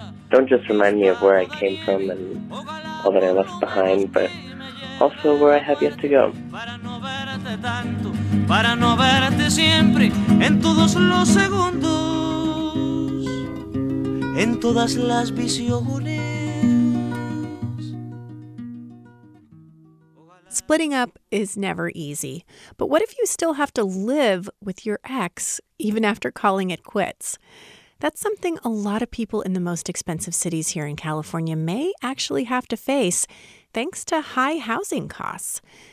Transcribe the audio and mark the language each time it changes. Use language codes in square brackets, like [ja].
[en] Don't just remind me of where I came from and all that I left behind, but also where I have yet to go. [es] Para no verte siempre en todos los segundos, en todas las visiones. [en] Splitting up is never easy, but what if you still have to live with your ex even after calling it quits? That's something a lot of people in the most expensive cities here in California may actually have to face thanks to high housing costs.